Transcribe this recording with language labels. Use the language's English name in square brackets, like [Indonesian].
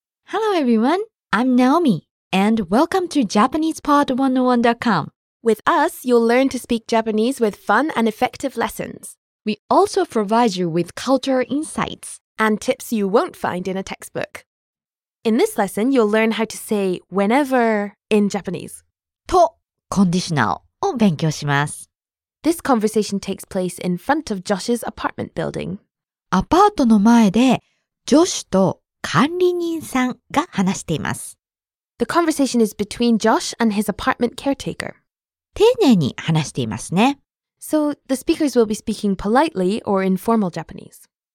[English] Hello everyone, I'm Naomi, and welcome to JapanesePod101.com. With us, you'll learn to speak Japanese with fun and effective lessons. We also provide you with cultural insights and tips you won't find in a textbook. In this lesson, you'll learn how to say whenever in Japanese. [Japanese] と conditional を勉強します。 [English] This conversation takes place in front of Josh's apartment building. [Japanese] アパートの前で、ジョシュと管理人さんが話しています。 [English] The conversation is between Josh and his apartment caretaker. [Japanese] 丁寧に話していますね。 [English] So the speakers will be speaking politely or informal Japanese.